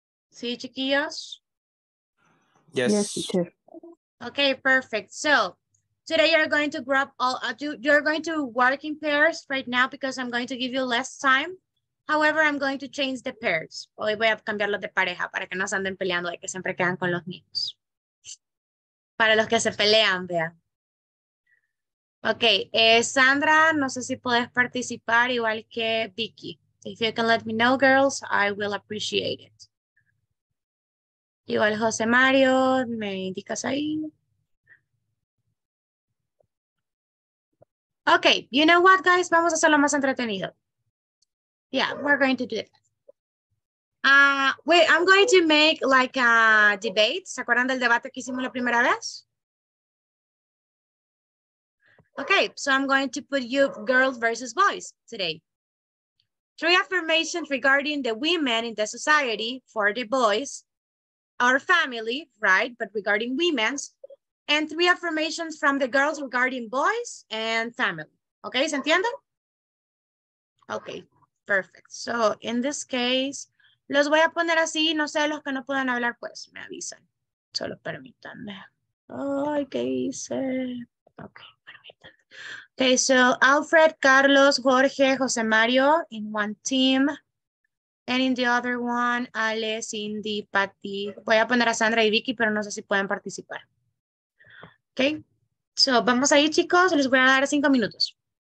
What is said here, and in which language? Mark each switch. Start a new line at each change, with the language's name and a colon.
Spanish: Sí, chiquillos?
English: Yes. Yes, teacher. Okay, perfect. So today you're going to group all, you're going to work in pairs right now because I'm going to give you less time. However, I'm going to change the pairs.
Spanish: Hoy voy a cambiarlos de pareja para que no se anden peleando y que siempre quedan con los niños. Para los que se pelean, vea. Okay, Sandra, no sé si puedes participar igual que Vicky.
English: If you can let me know, girls, I will appreciate it.
Spanish: Igual José Mario, me indicas ahí.
English: Okay, you know what, guys?
Spanish: Vamos a hacerlo más entretenido.
English: Yeah, we're going to do it. Wait, I'm going to make like a debate.
Spanish: ¿Se acuerdan del debate que hicimos la primera vez?
English: Okay, so I'm going to put you girls versus boys today. Three affirmations regarding the women in the society for the boys, our family, right? But regarding women's, and three affirmations from the girls regarding boys and family. Okay,
Spanish: ¿se entiende?
English: Okay. Perfect. So in this case,
Spanish: los voy a poner así, no sé, los que no puedan hablar, pues me avisan. Solo permítanme. Ay, ¿qué hice? Okay, permítanme.
English: Okay, so Alfred, Carlos, Jorge, José Mario in one team. And in the other one, Ale, Cindy, Patty.
Spanish: Voy a poner a Sandra y Vicky, pero no sé si pueden participar.
English: Okay, so
Spanish: vamos ahí, chicos, les voy a dar 5 minutos.